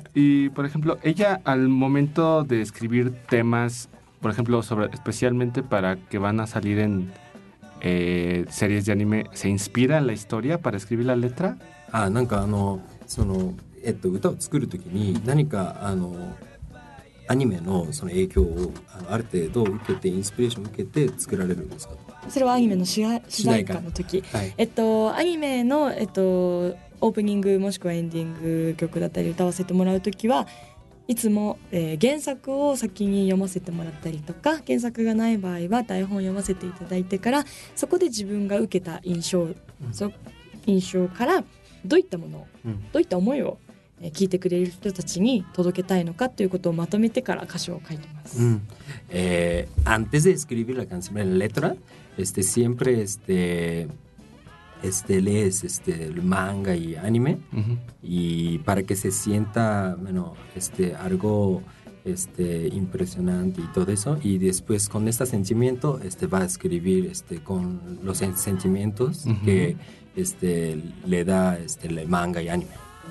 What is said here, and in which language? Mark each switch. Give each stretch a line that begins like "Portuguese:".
Spanish: Y por ejemplo, ella al momento de escribir temas, por ejemplo, sobre especialmente para que van a salir en series de anime, ¿se inspira en la historia para escribir la letra?
Japanese: Ah, nanka ano sono eto uta o tsukuru toki ni nanika ano アニメのその影響をある程度受けてインスピレーションを受けて作られるんですか。それはアニメの主題歌の時、はい、アニメのオープニングもしくはエンディング曲だったり歌わせてもらう時はいつも、原作を先に読ませてもらったりとか、原作がない場合は台本を読ませていただいてから、そこで自分が受けた印象からどういったものを、どういった思いを聞いてくれる人たちに届けたいのかということをまとめてから歌詞を書いてます。
Spanish: antes de escribir la canción, la letra, siempre lees el manga y anime, y para que se sienta, bueno, algo impresionante y todo eso, y después con este sentimiento va a escribir con los sentimientos que le da el manga y anime.